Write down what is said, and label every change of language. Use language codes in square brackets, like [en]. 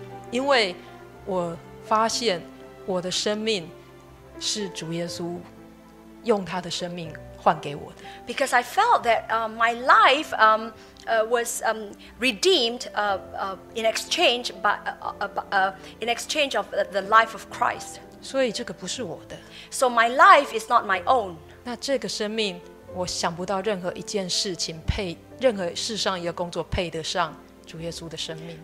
[zh] 因为我发现我的生命是主耶稣用他的生命换给我的。 [en] Because I felt that my life was redeemed in exchange of the life of Christ. [zh] 所以这个不是我的。 [en] So my life is not my own. [zh] 那这个生命，我想不到任何一件事情配，任何世上一个工作配得上主耶稣的生命。